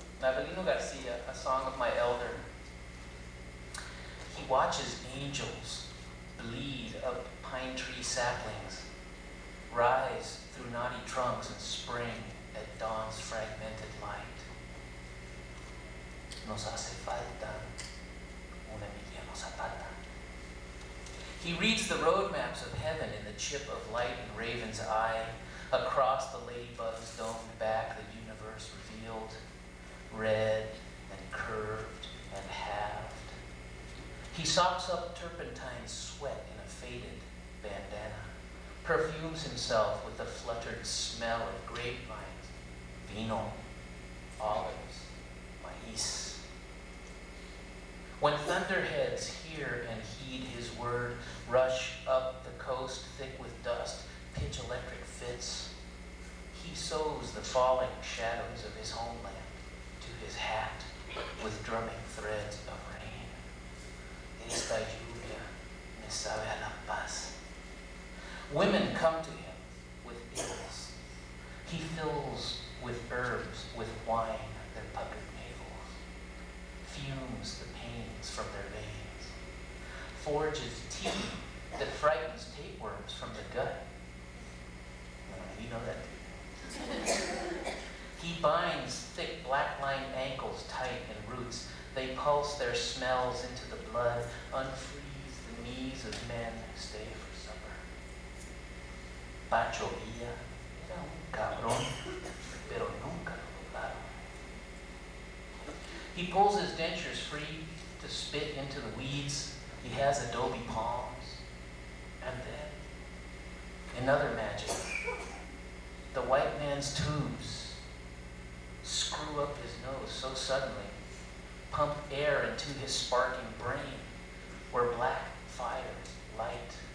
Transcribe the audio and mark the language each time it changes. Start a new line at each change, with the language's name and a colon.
English: Avelino Garcia, a song of my elder. He watches angels bleed up pine tree saplings, rise through knotty trunks in spring at dawn's fragmented light.
Spanish: Nos hace falta un Emiliano Zapata.
English: He reads the roadmaps of heaven in the chip of light in Raven's eye, across the ladybug's domed back, the universe revealed, red and curved and halved. He sops up turpentine sweat in a faded bandana, perfumes himself with the fluttered smell of grapevines, vino, olives, maíz. When thunderheads hear and heed his word, rush up the coast thick with dust, pitch electric fits, he sews the falling shadows of his homeland to his hat with drumming threads of rain.
Spanish: Esta lluvia me sabe a la paz.
English: Women come to him with ills. He fills with herbs, with wine, their puckered navels, fumes the pains from their veins, forges tea that frightens tapeworms from the gut. You know that. He binds thick black-lined ankles tight in roots. They pulse their smells into the blood, unfreeze the knees of men who stay for supper.
Spanish: Pacho Villa, era un cabrón. Pero nunca lo
English: He pulls his dentures free to spit into the weeds. He has adobe palms. And then, another magic. The white man's tubes screw up his nose so suddenly, pump air into his sparking brain, where black fire light.